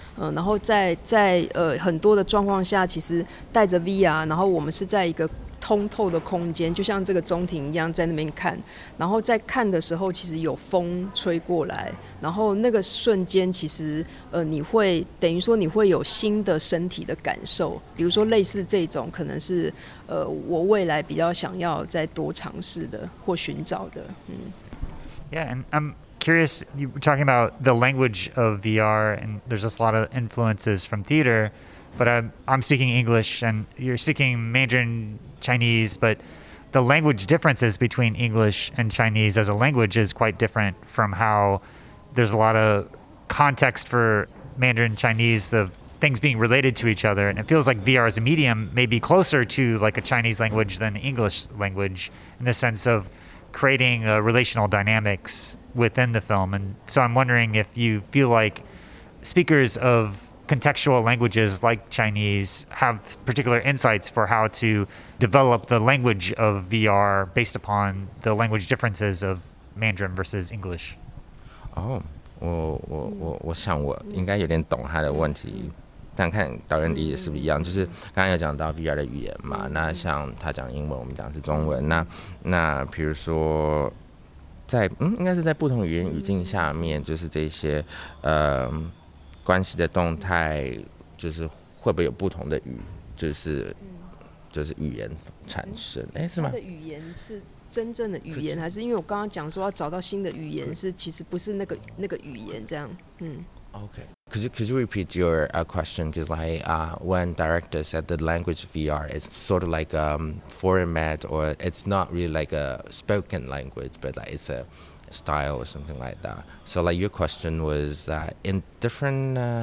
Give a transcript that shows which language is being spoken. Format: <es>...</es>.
<zh>然后在很多的状况下， 其实带着VR， 然后我们是在一个通透的空间， 就像这个中庭一样在那边看， 然后在看的时候， 其实有风吹过来， 然后那个瞬间其实你会等于说你会有新的身体的感受， 比如说类似这种， 可能是我未来比较想要再多尝试的或寻找的。</zh> <en>Yeah, and I'm curious, you were talking about the language of VR, and there's just a lot of influences from theater, but I'm speaking English and you're speaking Mandarin Chinese, but the language differences between English and Chinese as a language is quite different from how there's a lot of context for Mandarin Chinese, the things being related to each other. And it feels like VR as a medium may be closer to like a Chinese language than English language in the sense of creating relational dynamics within the film. And so I'm wondering if you feel like speakers of contextual languages like Chinese have particular insights for how to develop the language of VR based upon the language differences of Mandarin versus English.</en> <zh>Oh, 我想我应该有点懂他的问题，但看导演理解是不是一样。就是刚刚有讲到VR的语言嘛， 那像他讲英文，我们讲是中文。那比如说在应该是在不同语言语境下面， 就是这些关系的动态，就是会不会有不同的语言产生？是吗？他的语言是真正的语言，还是因为我刚刚讲说要找到新的语言，是其实不是那个语言这样。</zh> <en>Okay. Could you repeat your question? Because like when director said the language VR is sort of like format, or it's not really like a spoken language, but like it's a style or something like that. So like your question was that in different...</en>